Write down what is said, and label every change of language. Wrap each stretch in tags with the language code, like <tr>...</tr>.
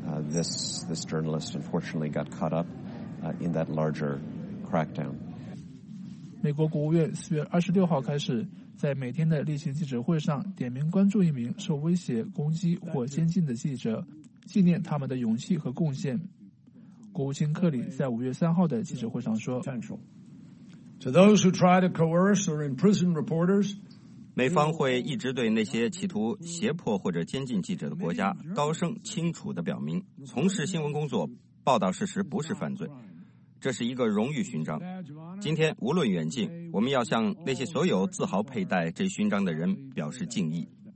<en>This journalist unfortunately got caught up in that larger crackdown.</en> <zh>美国国务院4月26号开始在每天的例行记者会上点名关注一名受威胁、攻击或监禁的记者，纪念他们的勇气和贡献。国务卿克里在5月3号的记者会上说</zh> <en>To those who try to coerce or imprison reporters,</en> <zh>美方会一直对那些企图胁迫或者监禁记者的国家高声清楚地表明，从事新闻工作、报道事实不是犯罪，这是一个荣誉勋章。今天无论远近，我们要向那些所有自豪佩戴这勋章的人表示敬意。</zh>